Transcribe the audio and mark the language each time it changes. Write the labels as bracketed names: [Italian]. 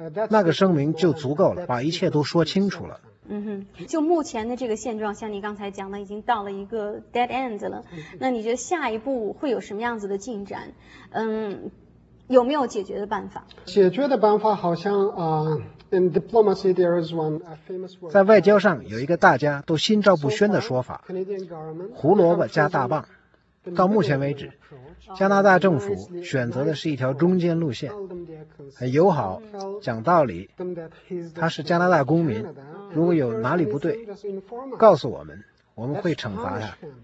[Chinese] 那个声明就足够了，把一切都说清楚了。就目前的这个现状，像你刚才讲的，已经到了一个 dead end 了。那你觉得下一步会有什么样子的进展？有没有解决的办法？解决的办法好像 [English] in diplomacy there is one famous word。 [Chinese] 在外交上有一个大家都心照不宣的说法，胡萝卜加大棒。到目前为止，加拿大政府选择的是一条中间路线，很友好，讲道理，他是加拿大公民，如果有哪里不对，告诉我们，我们会惩罚他。